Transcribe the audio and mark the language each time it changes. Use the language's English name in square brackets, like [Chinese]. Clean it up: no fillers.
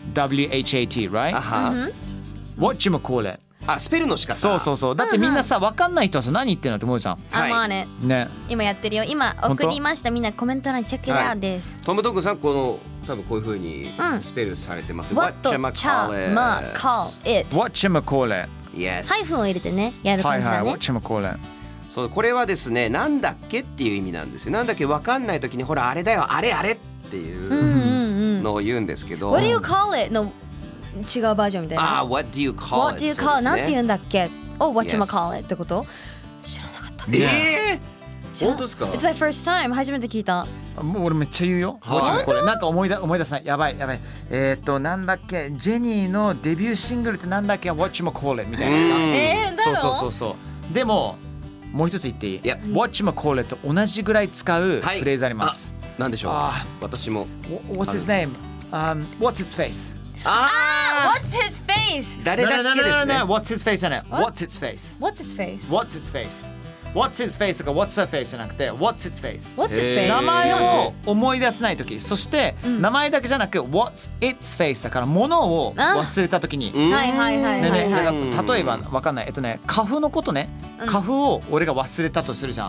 [English] W H A T, right? Uh-huh. What you call it? [Japanese] あ、スペルの仕方。そうそうそう。だってみんなさ、分かんない人はさ、何言ってるのって思うじゃん。あ、まあね。ね。今やってるよ。今送りました。みんなコメント欄チェックだです、はい。トムドッグさん、この多分こういう風にスペルされてます。 [English] うん、What you call it? What you call it? Yes。 [Japanese] ハイフンを入れてね、やる感じだね。はいはい。 [English] What you call it? [Japanese] そう、これはですね、なんだっけっていう意味なんですよ。なんだっけ、わかんないときにほらあれだよ、あれあれっていうのを言うんですけど、うんうんうん、 [English] What do you call it? [Japanese] の違うバージョンみたいな。 [English] あ、What do you call it? What do you call it? [Japanese] なんて言うんだっけ、 [English] お、oh, Whatchamacallit、yes. [Japanese] ってこと知らなかったか、本当ですか？ [English] It's my first time、 [Japanese] 初めて聞いた。もう俺めっちゃ言うよ、本当、これなんか思い出さない、やばいやばい。なんだっけ、ジェニーのデビューシングルってなんだっけ、 Whatchamacallit みたいなさ、だろ、そう。でももう一つ言っていい、 [English] yeah. [Japanese] Whatchamacallit と同じぐらい使うフレーズあります、はい、何でしょう、私も [English] What's his name?、What's its face? What's his face? [Japanese] 誰だっけですね、 [English] What's his face [Japanese] じゃない、 [English] What's its face? What's its face? What's its face? What's its face? [Japanese] とか [English] What's her face [Japanese] じゃなくて [English] What's its face? What's its face? [Japanese] 名前を思い出せないとき、そして、うん、名前だけじゃなく What's its face? だから物を忘れたときに、はいはいはいはい、はい、ね、例えばわかんない、花粉のことね、花粉を俺が忘れたとするじゃん、